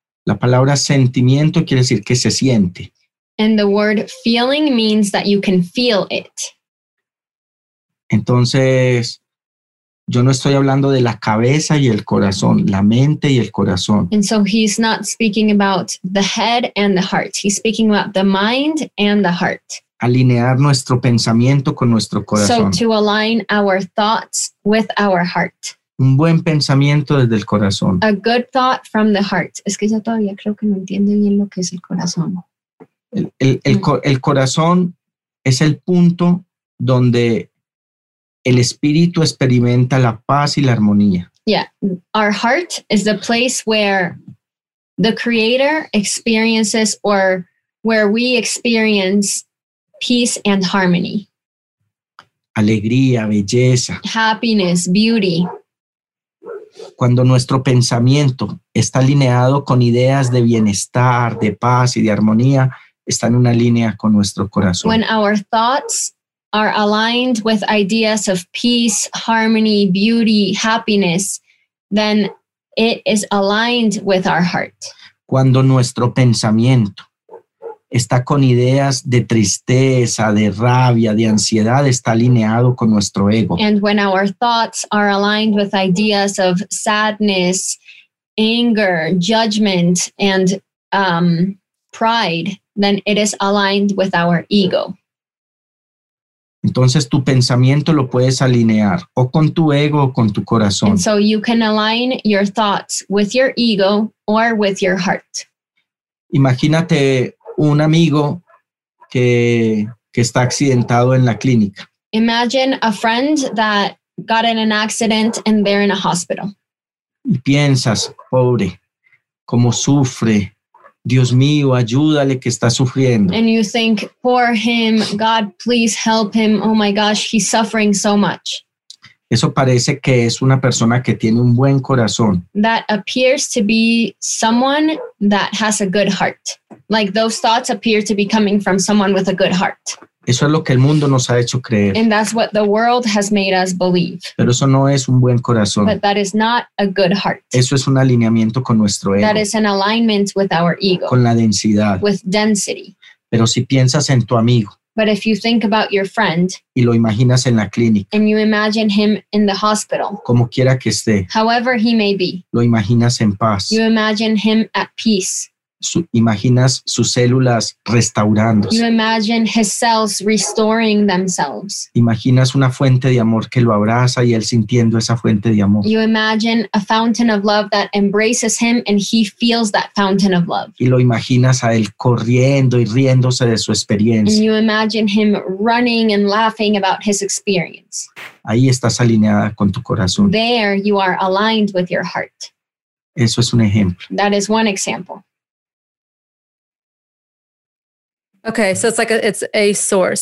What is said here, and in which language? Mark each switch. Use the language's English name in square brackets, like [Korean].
[Spanish] La palabra sentimiento quiere decir que se siente. [English] And the word feeling means that you can feel it. [Spanish] Entonces, yo no estoy hablando de la cabeza y el corazón, la mente y el corazón. [English] And so he's not speaking about the head and the heart. He's speaking about the mind and the heart. [Spanish] Alinear nuestro pensamiento con nuestro corazón. [English] So to align our thoughts with our heart. [Spanish] Un buen pensamiento desde el corazón. [English] A good thought from the heart. [Spanish] Es que yo todavía creo que no entiendo bien lo que es el corazón. El corazón es el punto donde el espíritu experimenta la paz y la armonía. [English] Yeah, our heart is the place where the creator experiences or where we experience peace and harmony. [Spanish] Alegría, belleza. [English] Happiness, beauty. [Spanish] Cuando nuestro pensamiento está alineado con ideas de bienestar, de paz y de armonía, está en una línea con nuestro corazón. [English] When our thoughts are aligned with ideas of peace, harmony, beauty, happiness, then it is aligned with our heart. [Spanish] Cuando nuestro pensamiento está con ideas de tristeza, de rabia, de ansiedad, está alineado con nuestro ego. [English] And when our thoughts are aligned with ideas of sadness, anger, judgment, and pride, then it is aligned with our ego. [Spanish] Entonces tu pensamiento lo puedes alinear o con tu ego o con tu corazón. [English] And so you can align your thoughts with your ego or with your heart. [Spanish] Imagínate un amigo que está accidentado en la clínica. [English] Imagine a friend that got in an accident and they're in a hospital. [Spanish] Y piensas, pobre, cómo sufre. Dios mío, ayúdale que está sufriendo. [English] And you think, poor him, God, please help him. Oh my gosh, he's suffering so much. [Spanish] Eso parece que es una persona que tiene un buen corazón. [English] That appears to be someone that has a good heart. Like those thoughts appear to be coming from someone with a good heart. [Spanish] Eso es lo que el mundo nos ha hecho creer. [English] And that's what the world has made us believe. [Spanish] Pero eso no es un buen corazón. [English] But that is not a good heart. [Spanish] Eso es un alineamiento con nuestro ego. [English] That is an alignment with our ego. [Spanish] Con la densidad. [English] With density. [Spanish] Pero si piensas en tu amigo. [English] But if you think about your friend. [Spanish] Y lo imaginas en la clínica. [English] And you imagine him in the hospital. [Spanish] Como quiera que esté. [English] However he may be. [Spanish] Lo imaginas en paz. [English] You imagine him at peace. [Spanish] Imaginas sus células restaurándose. [English] You imagine his cells restoring themselves. [Spanish] Imaginas una fuente de amor que lo abraza y él sintiendo esa fuente de amor. [English] You imagine a fountain of love that embraces him and he feels that fountain of love. [Spanish] Y lo imaginas a él corriendo y riéndose de su experiencia. [English] And you imagine him running and laughing about his experience. [Spanish] Ahí estás alineada con tu corazón. [English] There you are aligned with your heart. [Spanish] Eso es un ejemplo. [English] That is one example. Okay, so it's like it's a source.